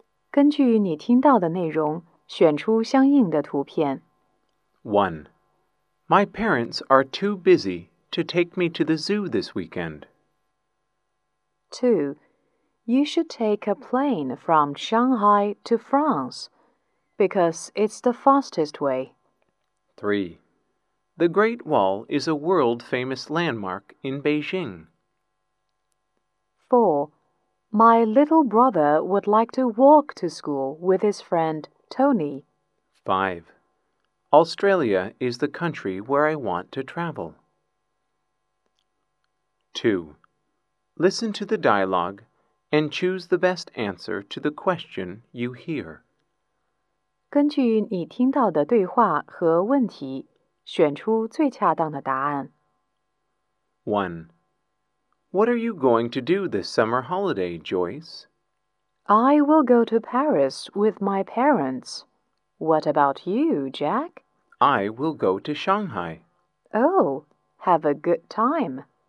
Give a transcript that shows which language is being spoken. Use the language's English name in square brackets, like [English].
[Chinese] 根据你听到的内容，选出相应的图片。 [English] 1. My parents are too busy to take me to the zoo this weekend. 2. You should take a plane from Shanghai to France, because it's the fastest way. 3. The Great Wall is a world-famous landmark in Beijing. 4. My little brother would like to walk to school with his friend, Tony. 5. Australia is the country where I want to travel. 2. Listen to the dialogue. And choose the best answer to the question you hear. [Chinese] 根据你听到的对话和问题，选出最恰当的答案。 [English] 1. What are you going to do this summer holiday, Joyce? I will go to Paris with my parents. What about you, Jack? I will go to Shanghai. Oh, have a good time.